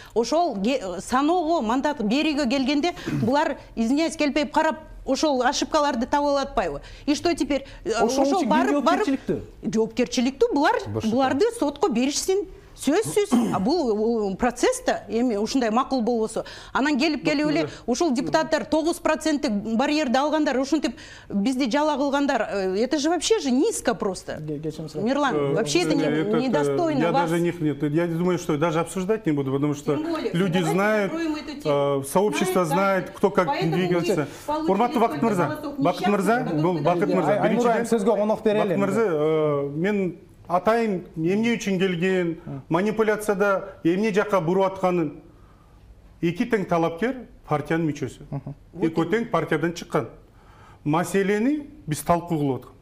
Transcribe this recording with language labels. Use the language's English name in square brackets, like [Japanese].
[Kyrgyz] Ошол саноого мандат берүүгө келгенде булар извиняясь келбей карап ошол ошибкаларды таба ала атпайбы? [Russian] И что теперь? [Kyrgyz] Ошол жоопкерчиликтүү. Жоопкерчиликтүү буларды сотко беришсин. Сөзсүз, а бул процесс да эми ушундай макул болбосо. Анан келип-келип эле ушул депутаттар 9% барьерди алгандар, ушинтип бизди жала кылгандар, [Russian] это же вообще же низко просто. Мирлан, вообще это недостойно вас. Я даже них нет. Я думаю, что даже обсуждать не буду, потому что люди знают, сообщество знает, кто как двигается. [Kyrgyz] Урматтуу Бакыт мырза. Бакыт мырза, бул Бакыт мырза. Биринчи сөзгө конок берели. Бакыт мырза, мен атайын эмне үчүн келген, манипуляцияда эмне жака буруп атканын эки тең талапкер партиянын мүчөсү. Эки тең партиядан чыккан. Маселени биз талкуу кылып атканбыз.